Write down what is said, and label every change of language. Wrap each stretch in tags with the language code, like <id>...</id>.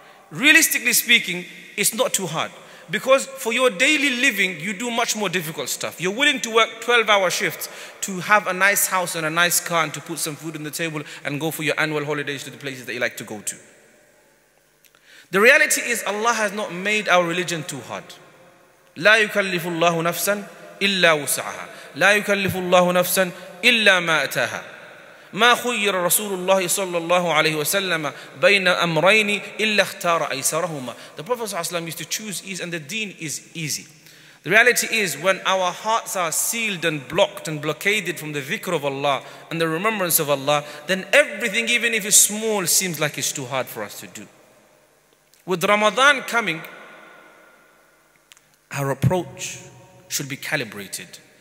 <en>Realistically speaking, it's not too hard. Because for your daily living, you do much more difficult stuff. You're willing to work 12-hour shifts to have a nice house and a nice car and to put some food on the table and go for your annual holidays to the places that you like to go to. The reality is Allah has not made our religion too hard.</en> <ar>لا يكلف الله نفسا إلا وسعها لا يكلف الله نفسا إلا ما أتاها ما خير رسول الله صلى الله عليه وسلم بين أمرين إلا اختار أيسرهما.</ar> <en>The Prophet ﷺ used to choose ease, and the deen is easy. The reality is, when our hearts are sealed and blocked and blockaded from the dhikr of Allah and the remembrance of Allah, then everything, even if it's small, seems like it's too hard for us to do. With Ramadan coming, our approach should be calibrated.</en>